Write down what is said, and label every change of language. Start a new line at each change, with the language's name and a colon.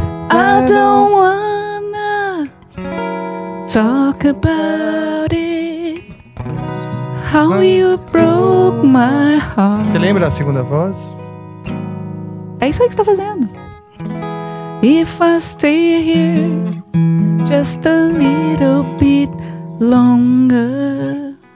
English: I don't wanna talk about it. How you broke my heart.
Portuguese: Você lembra a segunda voz? É isso aí que você tá fazendo.
English: If I stay here just a little bit longer.